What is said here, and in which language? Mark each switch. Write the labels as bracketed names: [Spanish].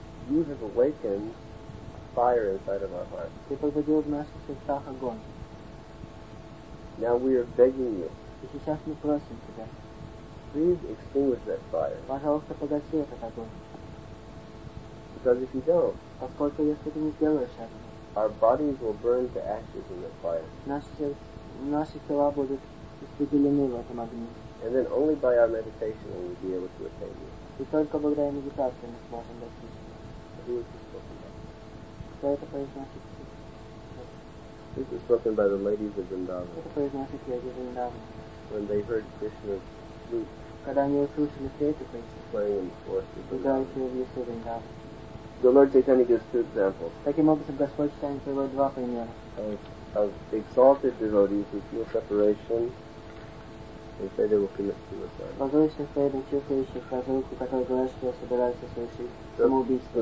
[English] you have awakened fire inside of our hearts. [Russian] Ты пробудил в наших сердцах огонь. [English] Now we are begging you. [Russian] И сейчас мы просим тебя. [English] Please extinguish that fire. [Russian] Пожалуйста, погаси этот огонь. [English] Because if you don't, [Russian] поскольку если ты не сделаешь этого, [English] our bodies will burn to ashes in the fire. [Russian] Наши тела будут испарены в этом огне. [English] And then only by our meditation will we be able to attain you. [Russian] И только благодаря медитации мы сможем достичь. [English] Who is this spoken by? [Russian] Кто это произносит? [English] This is spoken by the ladies of Vrindavan. [Russian] Это произносит леди Вриндавана. [English] When they heard Krishna's flute. [Russian] Когда они услышали флейту Кришны. [English] Playing in the forest of Vrindavan. [Russian] Играющие в лесу Вриндавана. [English] The Lord Chaitanya gives two examples. [Russian] Таким образом, Господь Читания приводит два примера. [English] Of exalted devotees who feel separation, they say they will commit suicide. [Russian] Возвышенных преданных, чувствующих разлуку, которые говорят, что собираются совершить самоубийство.